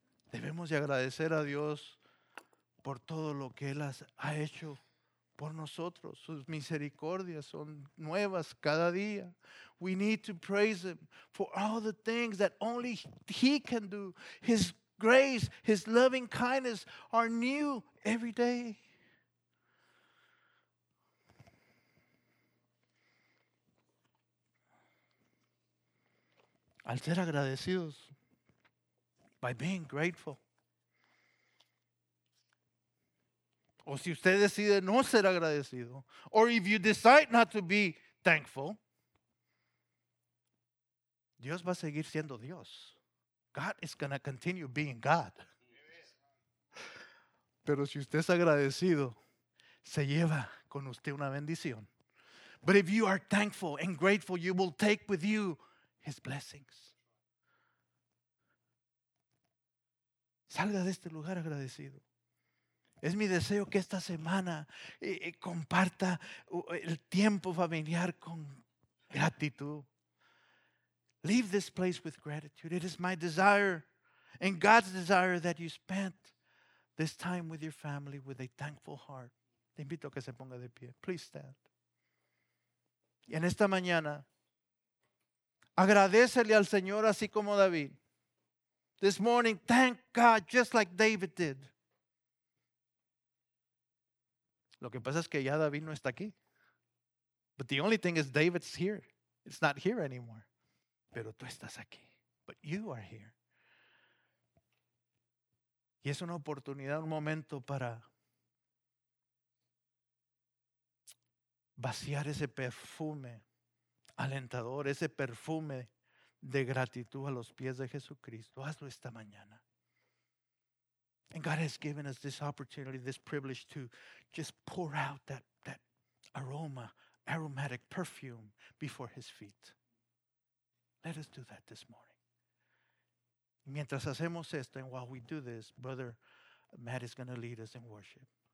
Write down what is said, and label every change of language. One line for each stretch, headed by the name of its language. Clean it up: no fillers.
Spanish: Debemos de agradecer a Dios por todo lo que Él ha hecho por nosotros. Sus misericordias son nuevas cada día.
English: We need to praise Him for all the things that only He can do. His grace, His loving kindness are new every day.
Spanish: Al ser agradecidos,
English: by being grateful.
Spanish: O si usted decide no ser agradecido,
English: or if you decide not to be thankful,
Spanish: Dios va a seguir siendo Dios.
English: God is going to continue being God.
Spanish: Pero si usted es agradecido, se lleva con usted una bendición.
English: But if you are thankful and grateful, you will take with you His blessings.
Spanish: Salga de este lugar agradecido. Es mi deseo que esta semana comparta el tiempo familiar con gratitud.
English: Leave this place with gratitude. It is my desire and God's desire that you spend this time with your family with a thankful heart.
Spanish: Te invito a que se ponga de pie.
English: Please stand.
Spanish: Y en esta mañana, agradécele al Señor así como David.
English: This morning, thank God, just like David did.
Spanish: Lo que pasa es que ya David no está aquí.
English: But the only thing is David's here. It's not here anymore.
Spanish: Pero tú estás aquí.
English: But you are here.
Spanish: Y es una oportunidad, un momento para vaciar ese perfume alentador, ese perfume de gratitud a los pies de Jesucristo. Hazlo esta mañana.
English: And God has given us this opportunity, this privilege to just pour out that aroma, aromatic perfume before His feet. Let us do that this morning.
Spanish: Mientras hacemos esto,
English: and while we do this, Brother Matt is going to lead us in worship.